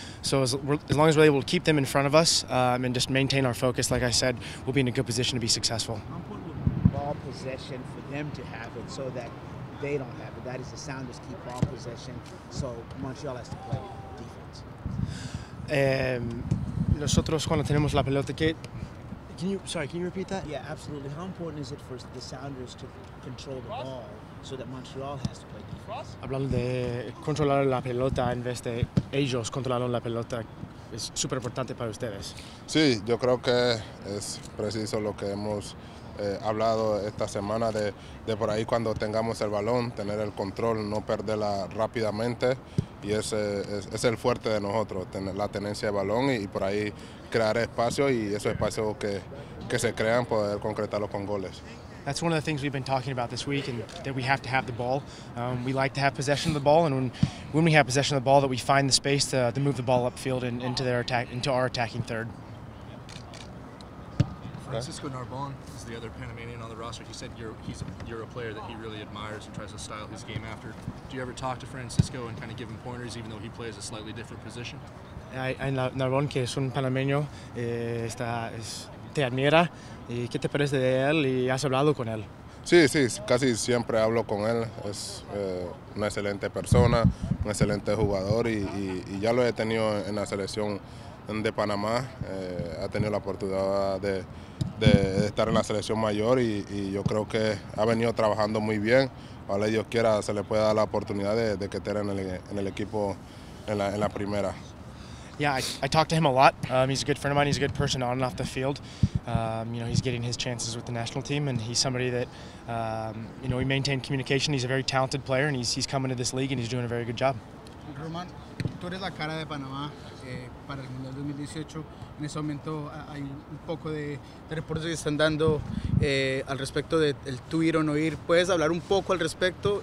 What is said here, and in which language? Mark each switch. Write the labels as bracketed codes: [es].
[en] So as long as we're able to keep them in front of us and just maintain our focus, like I said, we'll be in a good position to be successful. Ball possession for them to have it so that they don't have it. That is the soundest key ball possession. So Montreal has to play defense. [es] Nosotros cuando tenemos la pelota que... [en] Can you repeat that? Yeah, absolutely. How important is it for the Sounders to control the ball so that Montreal has to play defense? [es] Hablando de controlar la pelota en vez de ellos controlando la pelota, es súper importante para ustedes. Sí, yo creo que es preciso lo que hemos hablado esta semana de por ahí cuando tengamos el balón, tener el control, no perderla rápidamente. Y es el fuerte de nosotros, tener la tenencia de balón y por ahí crear espacios, y esos espacios que se crean, poder concretarlos con goles. [en] That's one of the things we've been talking about this week, and that we have to have the ball. We like to have possession of the ball, and when we have possession of the ball, that we find the space to move the ball upfield and into our attacking third. Francisco Narbon is the other Panamanian on the roster. He said you're a player that he really admires and tries to style his game after. Do you ever talk to Francisco and kind of give him pointers, even though he plays a slightly different position? [es] Narbon, que es un panameño, te admira. ¿Y qué te parece de él? ¿Y has hablado con él? Sí, sí, casi siempre hablo con él. Es una excelente persona, un excelente jugador, y ya lo he tenido en la selección de Panamá. Ha tenido la oportunidad de estar en la selección mayor, y yo creo que ha venido trabajando muy bien. Ojalá Dios quiera se le pueda dar la oportunidad de que esté en el equipo en la primera. [en] Yeah, I talk to him a lot. He's a good friend of mine. He's a good person on and off the field. You know, he's getting his chances with the national team, and he's somebody that, you know, we maintain communication. He's a very talented player, and he's coming to this league, and he's doing a very good job. [es] Roman, tú eres la cara de Panamá para el Mundial 2018. En ese momento hay un poco de reportes que están dando al respecto del tú ir o no ir. ¿Puedes hablar un poco al respecto?